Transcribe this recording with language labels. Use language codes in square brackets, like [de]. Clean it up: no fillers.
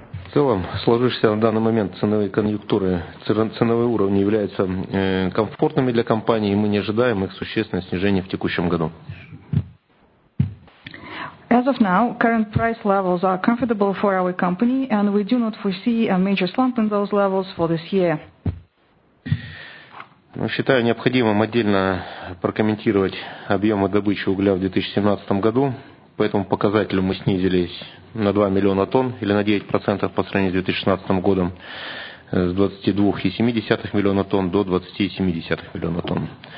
[ru] В целом, сложившиеся на данный момент ценовые конъюнктуры, ценовые уровни являются комфортными для компании, и мы не ожидаем их существенного снижения в текущем году. [en] As of now, current price levels are comfortable for our company, and we do not foresee a major slump in those levels for this year. [ru] Но считаю необходимым отдельно прокомментировать объемы добычи угля в 2017 году. По этому показателю мы снизились на 2 миллиона тонн или на 9% по сравнению с 2016 годом, с 22,7 миллиона тонн до 20,7 миллиона тонн.